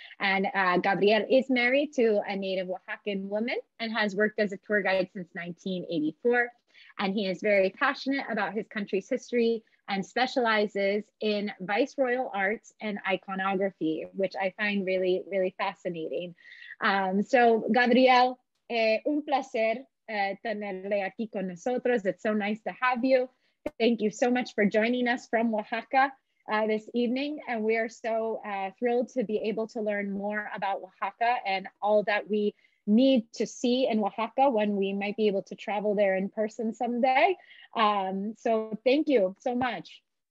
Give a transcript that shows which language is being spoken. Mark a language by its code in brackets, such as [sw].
[en] And Gabriel is married to a native Oaxacan woman and has worked as a tour guide since 1984. And he is very passionate about his country's history and specializes in viceroyal arts and iconography, which I find really, really fascinating. [es] So Gabriel, un placer tenerle aquí con nosotros. [en] It's so nice to have you. Thank you so much for joining us from Oaxaca this evening. And we are so thrilled to be able to learn more about Oaxaca and all that we need to see in Oaxaca when we might be able to travel there in person someday. So thank you so much.